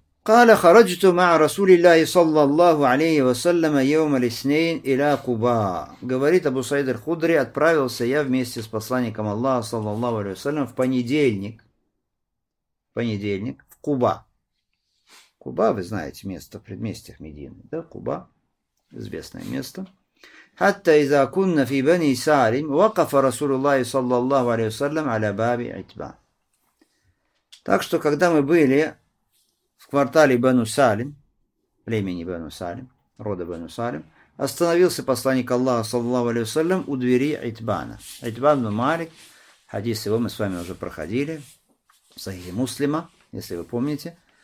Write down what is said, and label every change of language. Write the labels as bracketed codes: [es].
[ar] قال خرجت مع رسول الله صلى الله عليه وسلم يوم الاثنين الى قباء [ru] говорит Абу Саид аль-Худри отправился я вместе с посланником Аллаха саллаллаху алейхи ва саллям в понедельник в Куба. Куба, вы знаете место в предместьях Медины, да, Куба известное место. [ar] حتى اذا كنا في بني سالم وقف رسول الله صلى الله عليه وسلم على باب عتبان. [ru] Так что когда мы были в квартале Бану Салим, племени Бану Салим, рода Бану Салим, остановился посланник Аллаха, саллаллаху алейхи ва саллям, у двери Итбана. Итбан ибн Малик, хадис его мы с вами уже проходили, в Сахихе Муслима, если вы помните.